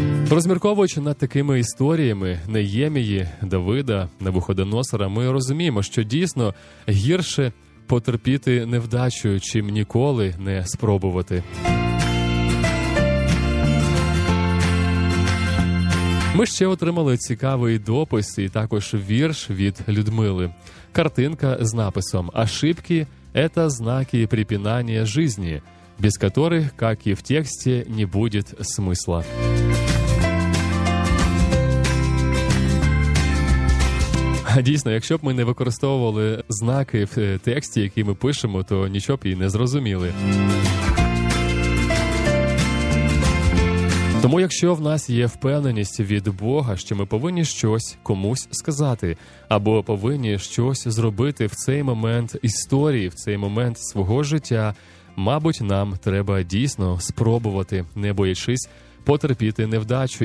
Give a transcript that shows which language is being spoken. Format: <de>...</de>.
<uk>Розмірковуючи над такими історіями Неємії, Давида, Навуходоносора, ми розуміємо, що дійсно гірше потерпіти невдачу, чим ніколи не спробувати. Ми ще отримали цікавий допис і також вірш від Людмили. Картинка з написом</uk> <ru>«Ошибки – это знаки препинания жизни, без которых, как и в тексте, не будет смысла».</ru> <uk>Дійсно, якщо б ми не використовували знаки в тексті, який ми пишемо, то нічого б і не зрозуміли. Тому якщо в нас є впевненість від Бога, що ми повинні щось комусь сказати, або повинні щось зробити в цей момент історії, в цей момент свого життя, мабуть, нам треба дійсно спробувати, не боячись потерпіти невдачу.</uk>